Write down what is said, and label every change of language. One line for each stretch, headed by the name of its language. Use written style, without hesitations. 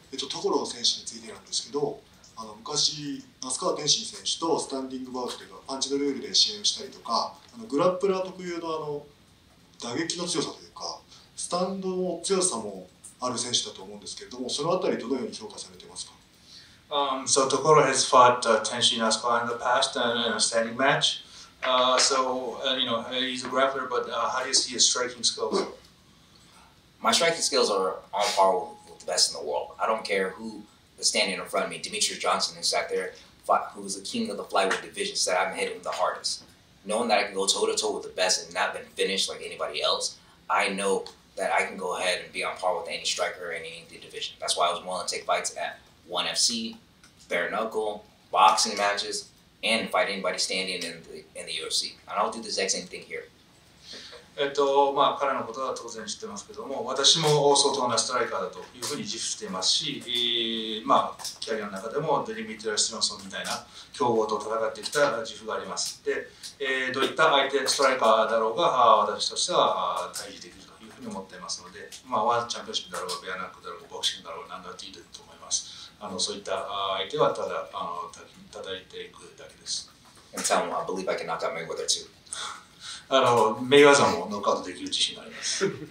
Japanese: ところ選手についてなんですけど、あの昔那須川天心選手とスタンディングバウトというかパンチのルールで試合をしたりとか、あのグラップラー特有 の, あの打撃の強さというかスタンドの強さもある選手だと思うんですけれども、そのあたりどのように評価されてますか。
English: So Tokoro has fought Tenshin Asuka in the past and in a standing match. He's a grappler, but how do you see his striking skills? My striking skills are on par with the best in the world. I don't care who is standing in front of me. Demetrius Johnson is back there, who is the king of the flyweight division, said I'm hitting him the hardest. Knowing that I can go toe-to-toe with the best and not been finished like anybody else, I know that I can go ahead and be on par with any striker or any the division. That's why I was willing to take fights at 1FC, bare knuckle, boxing matches, and fight anybody standing in the UFC. And I'll do the exact same thing here.
Japanese: まあ、彼のことは当然知ってますけども、私も相当なストライカーだというふうに自負していますし、まあ、キャリアの中でもデリミトリア・スティマソンみたいな強豪と戦ってきた自負があります。で、どういった相手、ストライカーだろうが、私としては対峙できるというふうに思っていますので、まあ、ワールドチャンピオンシップだろうが、ベアナックだろうが、ボクシングだろうが、何だっていいと思います。あのそういった相手はただ、たたいていくだけです。
English: And Tom, I believe I can knock out Mayweather too.
Japanese: メイウェザーもノックアウトできる自信があります。